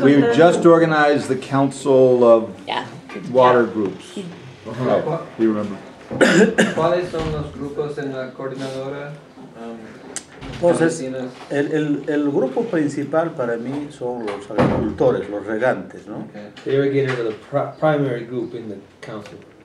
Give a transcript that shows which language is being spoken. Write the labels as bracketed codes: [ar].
[en] We just organized the council of water groups. Uh-huh. Oh, we remember. [es] ¿Cuáles son los grupos en la coordinadora? Entonces, el grupo principal para mí son los agricultores, los regantes, ¿no? [en] Okay. The irrigators are the primary group in the council.